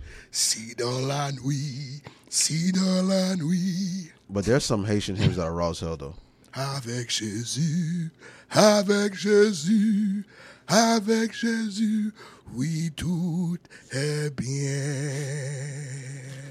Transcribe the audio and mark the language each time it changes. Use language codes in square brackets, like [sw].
[fr] Si dans la nuit, si dans la nuit. [en] But there's some Haitian hymns that are raw as hell, though. [fr] Avec Jésus, avec Jésus, avec Jésus, oui, tout est bien.